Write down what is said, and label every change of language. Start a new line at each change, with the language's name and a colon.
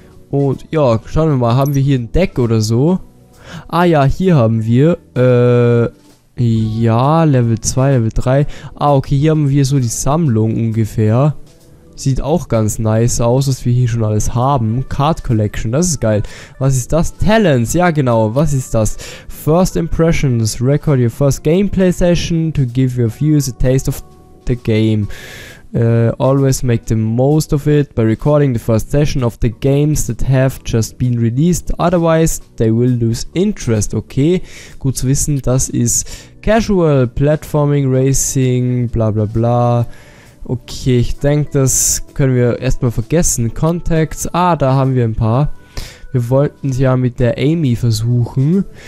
German: Und ja, schauen wir mal. Haben wir hier ein Deck oder so? Ah ja, hier haben wir. Ja, Level 2, Level 3. Ah, okay, hier haben wir so die Sammlung ungefähr. Sieht auch ganz nice aus, was wir hier schon alles haben. Card Collection, das ist geil. Was ist das? Talents, ja genau, was ist das?
English: First Impressions, record your first gameplay session to give your viewers a taste of the game. Always make the most of it by recording the first session of the games that have just been released. Otherwise, they will lose interest.
German: Okay, gut zu wissen, das ist Casual, Platforming, Racing, bla bla bla. Okay, ich denke, das können wir erstmal vergessen. Contacts, ah, da haben wir ein paar. Wir wollten es ja mit der Amy versuchen.